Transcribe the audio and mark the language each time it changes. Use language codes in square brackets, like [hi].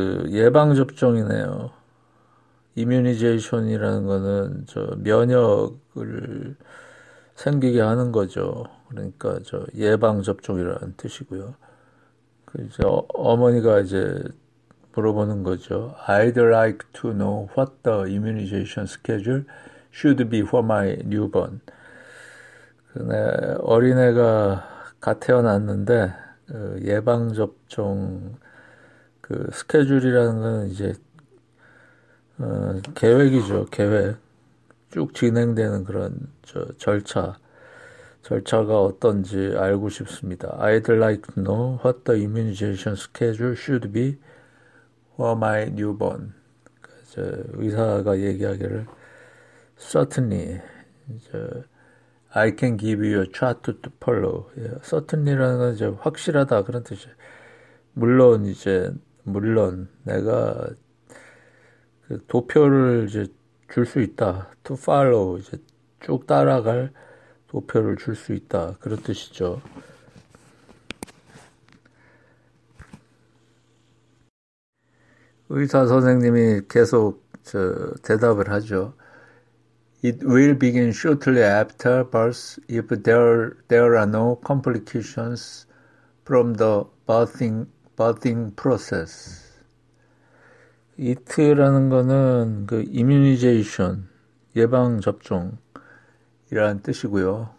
[ko] 예방접종이네요. Immunization이라는 거는 면역을 생기게 하는 거죠. 그러니까 예방접종이라는 뜻이고요. 어머니가 물어보는 거죠. [en] I'd like to know what the immunization schedule should be for my newborn. [ko] 어린애가 갓 태어났는데 예방접종 스케줄이라는 건 계획이죠. 계획. 쭉 진행되는 그런 절차가 어떤지 알고 싶습니다. [en] I'd like to know what the immunization schedule should be for my newborn. [ko] 의사가 얘기하기를, [en] certainly, I can give you a chart to follow. [ko] certainly라는 건 확실하다. 그런 뜻이에요. 물론, 내가 도표를 줄수 있다. [en] to follow, [ko] 쭉 따라갈 도표를 줄수 있다. 그런 뜻이죠. 의사 선생님이 계속 대답을 하죠. [en] It will begin shortly after birth if there are no complications from the birthing process. [ko] It라는 거는 immunization, 예방접종이라는 뜻이고요.